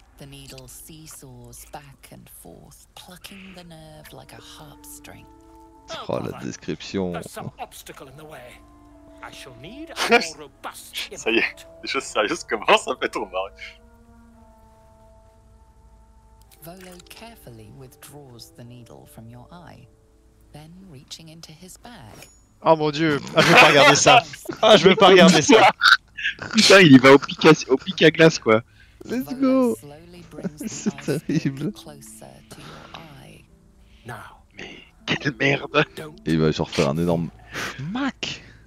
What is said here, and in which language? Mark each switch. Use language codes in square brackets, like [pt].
[en] The needle seesaws back and forth, plucking the nerve like a harp string. [fr] Oh la description. Ça y est, les choses sérieuses commencent à mettre au mari. [en] Volo carefully withdraws the needle from your eye, then reaching into his bag. [fr] Oh mon dieu, ah, je veux pas regarder ça. Ah, je veux pas regarder ça. Putain, il y va au pic à glace quoi. [en] Let's go. [fr] C'est terrible. [en] Closer to your eye. [fr] Non, mais quelle merde. Et il va genre faire un énorme smack.